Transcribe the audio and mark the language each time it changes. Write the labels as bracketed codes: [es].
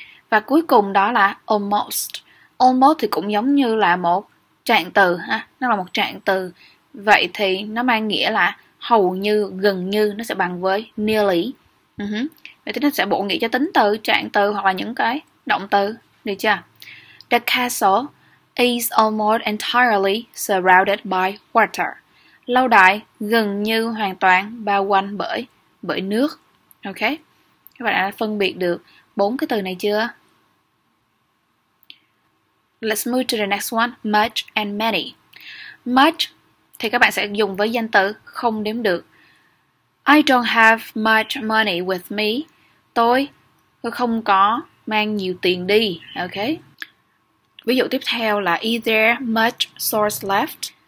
[vi] Và cuối cùng đó là almost. Almost thì cũng giống như là một trạng từ ha, nó là một trạng từ. Vậy thì nó mang nghĩa là hầu như, gần như, nó sẽ bằng với nearly. Vậy thì nó sẽ bổ nghĩa cho tính từ, trạng từ hoặc là những cái động từ, được chưa? [en] The castle is almost entirely surrounded by water. [vi] Lâu đài gần như hoàn toàn bao quanh bởi nước. Ok? Các bạn đã phân biệt được bốn cái từ này chưa? [en] Let's move to the next one, much and many. [vi] Much thì các bạn sẽ dùng với danh từ không đếm được. [en] I don't have much money with me. [vi] Tôi không có mang nhiều tiền đi, [en] okay? [vi] Ví dụ tiếp theo là [en] is there much salt left?